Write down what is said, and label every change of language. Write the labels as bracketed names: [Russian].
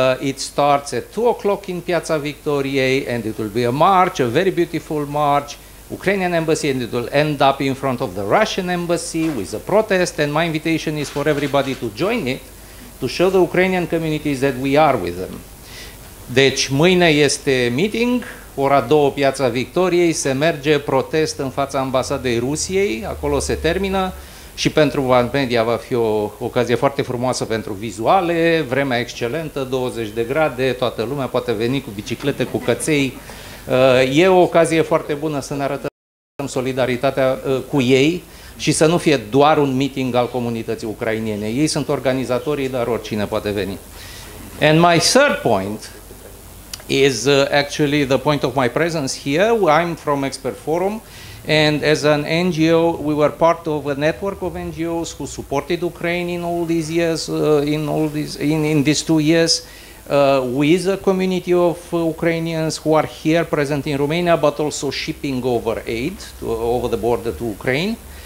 [English] It starts at 2 o'clock in Piazza Victoriei, and it will be a march, a very beautiful march, Ukrainian embassy, and it will end up in front of the Russian embassy with a protest. And my invitation is for everybody to join it, to show the Ukrainian communities that we are with them. [Romanian] Deci, mâine este meeting, ora 2, Piața Victoriei, se merge protest în fața ambasadei Rusiei, acolo se termină și pentru media va fi o ocazie foarte frumoasă pentru vizuale, vremea excelentă, 20 de grade, toată lumea poate veni cu biciclete, cu căței. E o ocazie foarte bună să ne arătăm solidaritatea cu ei și să nu fie doar un meeting al comunității ucrainiene. Ei sunt organizatorii, dar oricine poate veni. [English] And my third point is actually the point of my presence here. I'm from Expertforum, and as an NGO, we were part of a network of NGOs who supported Ukraine in all these years, in these 2 years, with a community of Ukrainians who are here present in Romania, but also shipping over aid over the border to Ukraine.